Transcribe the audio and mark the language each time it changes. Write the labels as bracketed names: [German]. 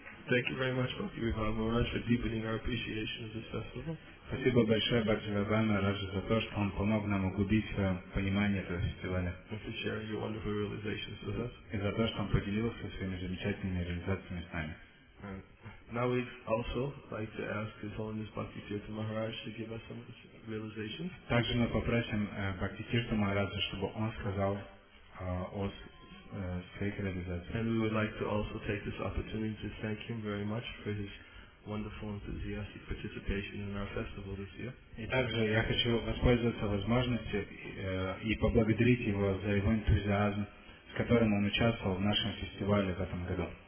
[English] Thank you very much, Bhakti Vibhava Maharaj, for deepening our appreciation of this festival. [Russian] Спасибо большое, Бхакти Вибхава Махарадж, за то, что он помог нам углубить свое понимание этого фестиваля. [English] And for sharing your wonderful realizations with us. [Russian] И за то, что он поделился своими замечательными реализациями с нами. [English] Now we'd also like to ask His Holiness Bhakti Tirtha Maharaj to give us some of his realizations. [Russian] Также мы попросим Бхакти Тирту Махараджа, чтобы он сказал о [English] And we would like to also take this opportunity to thank him very much for his wonderful enthusiastic participation in our festival this year. [Russian] И также я хочу воспользоваться возможностью и поблагодарить его за его энтузиазм, с которым он участвовал в нашем фестивале в этом году.